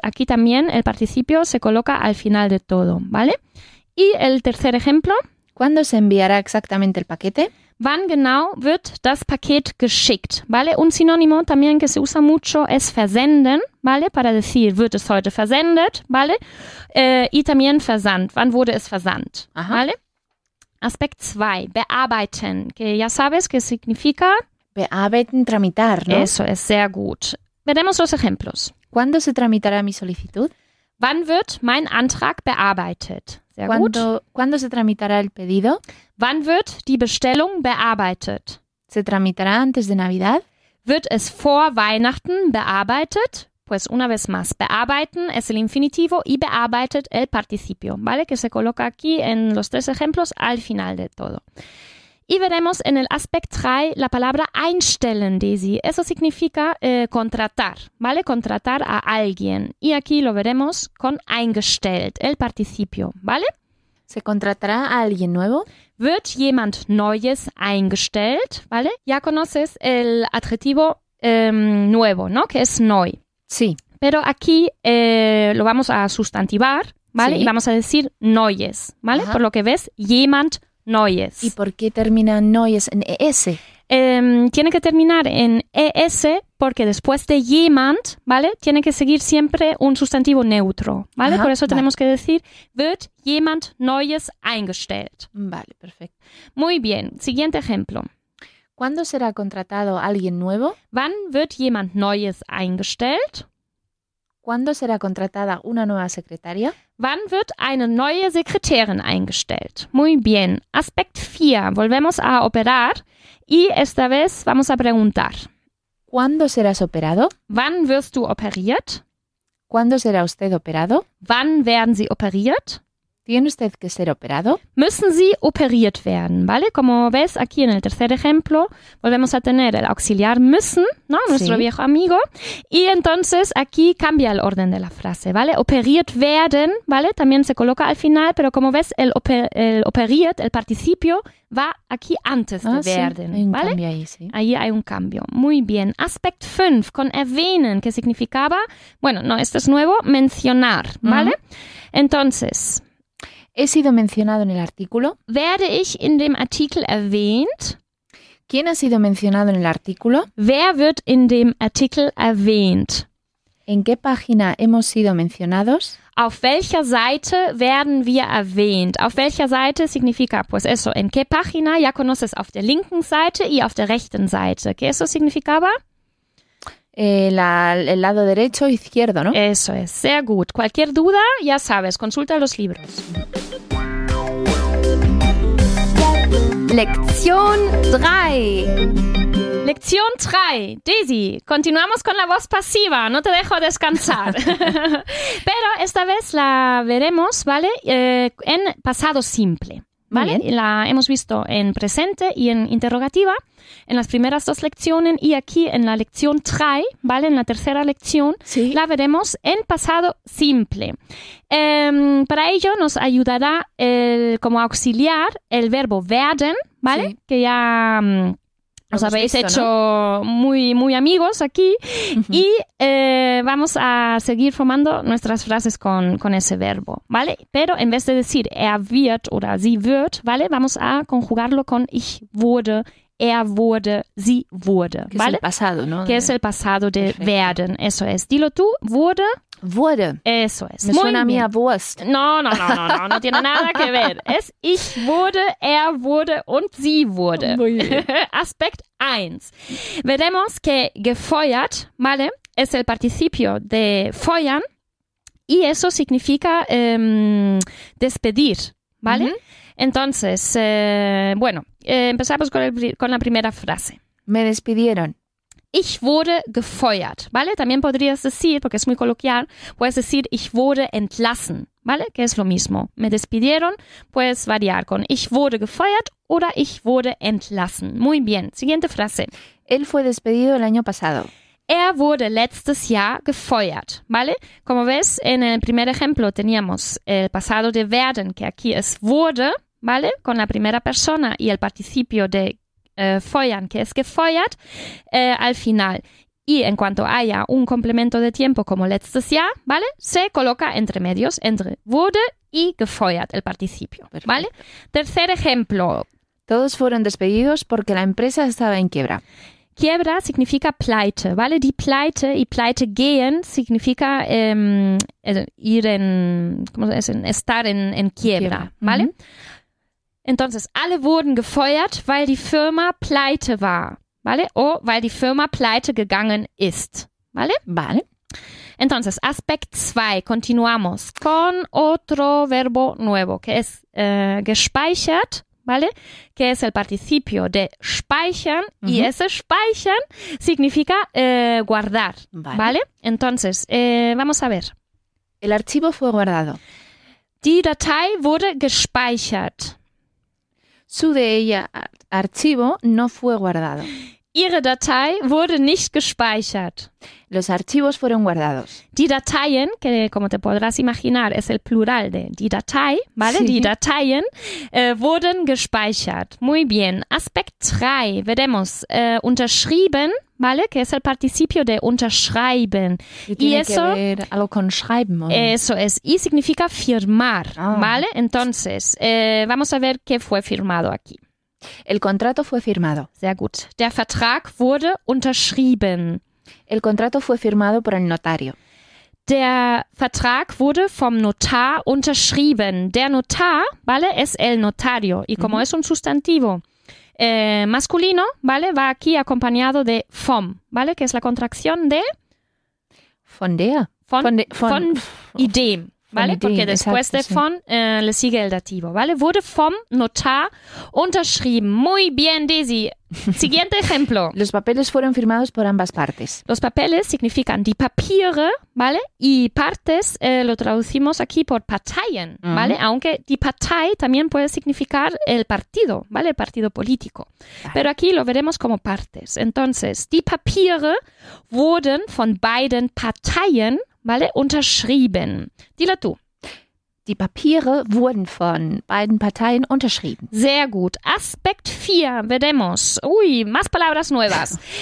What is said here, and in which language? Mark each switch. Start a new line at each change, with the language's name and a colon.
Spanish: Aquí también el participio se coloca al final de todo, ¿vale? Y el tercer ejemplo... ¿Cuándo se enviará exactamente el paquete?
German: Wann genau wird das Paket geschickt,
Spanish: ¿vale? Un sinónimo también que se usa mucho es versenden, ¿vale? Para decir,
German: wird es heute versendet,
Spanish: ¿vale?
German: Y también versand, ¿wann wurde es versandt? Aha.
Spanish: ¿Vale? Aspekt 2, bearbeiten, que ya sabes qué significa. Bearbeiten, tramitar, ¿no? Eso es,
German: sehr gut.
Spanish: Veremos los ejemplos. ¿Cuándo se tramitará mi solicitud?
German: Wann wird mein Antrag bearbeitet?
Spanish: ¿Cuándo se tramitará el pedido?
German: Wann wird die Bestellung bearbeitet?
Spanish: ¿Se tramitará antes de Navidad?
German: Wird es vor Weihnachten bearbeitet?
Spanish: Pues una vez más, bearbeiten es el infinitivo y bearbeitet el participio, ¿vale? Que se coloca aquí en los tres ejemplos al final de todo. Y veremos en el aspecto 3 la palabra einstellen, Daisy. Eso significa contratar, ¿vale? Contratar a alguien. Y aquí lo veremos con eingestellt, el participio, ¿vale? ¿Se contratará a alguien nuevo?
German: Wird jemand Neues eingestellt,
Spanish: ¿vale? Ya conoces el adjetivo nuevo, ¿no? Que es neu. Sí. Pero aquí lo vamos a sustantivar, ¿vale? Sí. Y vamos a decir Neues, ¿vale? Ajá. Por lo que ves, jemand Neues. ¿Y por qué termina Neues en ES? Tiene que terminar en ES porque después de jemand, ¿vale? Tiene que seguir siempre un sustantivo neutro, ¿vale? Ajá, por eso vale. Tenemos que decir,
German: wird jemand Neues eingestellt.
Spanish: Vale, perfecto. Muy bien, siguiente ejemplo. ¿Cuándo será contratado alguien nuevo?
German: ¿Wann wird jemand Neues eingestellt?
Spanish: ¿Cuándo será contratada una nueva secretaria?
German: ¿Wann wird eine neue Sekretärin eingestellt?
Spanish: Muy bien. Aspect 4. Volvemos a operar y esta vez vamos a preguntar. ¿Cuándo serás operado?
German: ¿Wann wirst du operiert?
Spanish: ¿Cuándo será usted operado?
German: ¿Wann werden Sie operiert?
Spanish: ¿Tiene usted que ser operado?
German: Müssen Sie operiert werden,
Spanish: ¿vale? Como ves aquí en el tercer ejemplo, volvemos a tener el auxiliar müssen, ¿no? Nuestro sí. viejo amigo. Y entonces aquí cambia el orden de la frase, ¿vale?
German: Operiert werden,
Spanish: ¿vale? También se coloca al final, pero como ves, el operiert, el participio, va aquí antes de werden, sí. ¿vale? Hay un cambio ahí, sí. Ahí hay un cambio. Muy bien. Aspect 5, con erwähnen, que significaba, bueno, no, esto es nuevo, mencionar, ¿vale? Uh-huh. Entonces... ¿He sido mencionado en el artículo?
German: ¿Werde ich in dem Artikel erwähnt?
Spanish: ¿Quién ha sido mencionado en el artículo?
German: ¿Wer wird in dem Artikel erwähnt?
Spanish: ¿En qué página hemos sido mencionados?
German: ¿Auf welcher Seite werden wir erwähnt? ¿Auf welcher Seite
Spanish: significa, pues eso, en qué página? Ya conoces,
German: auf der linken Seite y auf der rechten Seite.
Spanish: ¿Qué eso significaba? El lado derecho o izquierdo, ¿no? Eso es,
German: sehr gut.
Spanish: Cualquier duda, ya sabes, consulta los libros. Lección 3. Lección 3. Daisy, continuamos con la voz pasiva. No te dejo descansar. Pero esta vez la veremos, ¿vale? En pasado simple, ¿vale? La hemos visto en presente y en interrogativa, en las primeras dos lecciones y aquí en la lección 3, ¿vale? En la tercera lección, ¿sí? La veremos en pasado simple. Para ello nos ayudará como auxiliar el verbo werden, ¿vale? Sí. Que ya os habéis visto, hecho, ¿no? Muy, muy amigos aquí. Uh-huh. Y vamos a seguir formando nuestras frases con ese verbo, ¿vale? Pero en vez de decir wird o
German: sie wird,
Spanish: ¿vale? Vamos a conjugarlo con
German: ich wurde, wurde, sie wurde,
Spanish: ¿vale? Que es el pasado, ¿no? Que es el pasado de perfecto. Werden, eso es. Dilo tú, wurde.
German: Wurde.
Spanish: Eso es. Me suena a mi Wurst. No, no tiene nada que ver.
German: Es ich wurde, wurde und sie wurde.
Spanish: Muy bien.
German: Aspekt 1.
Spanish: Veremos que gefeuert, ¿vale? Es el participio de feuern y eso significa despedir, ¿vale? Uh-huh. Entonces, empezamos con la primera frase. Me despidieron.
German: Ich wurde gefeuert,
Spanish: ¿vale? También podrías decir, porque es muy coloquial, puedes decir
German: ich wurde entlassen,
Spanish: ¿vale? Que es lo mismo. Me despidieron, puedes variar con
German: ich wurde gefeuert oder ich wurde entlassen.
Spanish: Muy bien, siguiente frase. Él fue despedido el año pasado.
German: Wurde letztes Jahr gefeuert,
Spanish: ¿vale? Como ves, en el primer ejemplo teníamos el pasado de werden, que aquí es wurde, ¿vale? Con la primera persona y el participio de feuern, que es gefeuert, al final. Y en cuanto haya un complemento de tiempo como
German: letztes Jahr,
Spanish: ¿vale? Se coloca entre medios, entre wurde y gefeuert, el participio, ¿vale? Perfecto. Tercer ejemplo. Todos fueron despedidos porque la empresa estaba en quiebra. Quiebra significa pleite, ¿vale?
German: Die pleite
Spanish: y
German: pleite gehen
Spanish: significa ir en, ¿cómo se dice? Estar en quiebra, ¿vale? Mm-hmm. Entonces,
German: alle wurden gefeuert, weil die Firma pleite war,
Spanish: ¿vale?
German: O weil die Firma pleite gegangen ist,
Spanish: ¿vale? Vale. Entonces, aspect 2, continuamos con otro verbo nuevo, que es gespeichert, ¿vale? Que es el participio de speichern, uh-huh. Y ese speichern significa guardar, ¿vale? ¿Vale? Entonces, vamos a ver. El archivo fue guardado.
German: Die Datei wurde gespeichert.
Spanish: Su de ella archivo no fue guardado.
German: Ihre Datei wurde nicht gespeichert.
Spanish: Los archivos fueron guardados.
German: Die Dateien,
Spanish: que como te podrás imaginar, es el plural de
German: die Datei,
Spanish: ¿vale? Sí.
German: Die Dateien wurden gespeichert.
Spanish: Muy bien. Aspekt 3. Veremos unterschrieben, ¿vale? Que es el participio de unterschreiben. Y tiene que ver algo con schreiben, ¿no? Eso es. Y significa firmar, ¿vale? Entonces, vamos a ver qué fue firmado aquí. El contrato fue firmado.
German: Sehr gut. Der Vertrag wurde unterschrieben.
Spanish: El contrato fue firmado por el notario.
German: Der Vertrag wurde vom Notar unterschrieben. Der Notar,
Spanish: ¿vale? Es el notario. Y como es un sustantivo masculino, ¿vale? Va aquí acompañado de vom, ¿vale? Que es la contracción de...
German: Von der.
Spanish: Von y dem. ¿Vale? Porque después de von le sigue el dativo, ¿vale?
German: Wurde vom Notar unterschrieben.
Spanish: Muy bien, Daisy. Siguiente ejemplo. Los papeles fueron firmados por ambas partes. Los papeles significan
German: die Papiere,
Spanish: ¿vale? Y partes lo traducimos aquí por Parteien, ¿vale? Uh-huh. Aunque
German: die Partei
Spanish: también puede significar el partido, ¿vale? El partido político. Vale. Pero aquí lo veremos como partes. Entonces,
German: die Papiere wurden von beiden Parteien,
Spanish: ¿vale?
German: Unterschrieben.
Spanish: Dilo tú.
German: Die Papiere wurden von beiden Parteien unterschrieben. Sehr gut.
Spanish: Aspekt 4. Veremos. Uy, más palabras nuevas.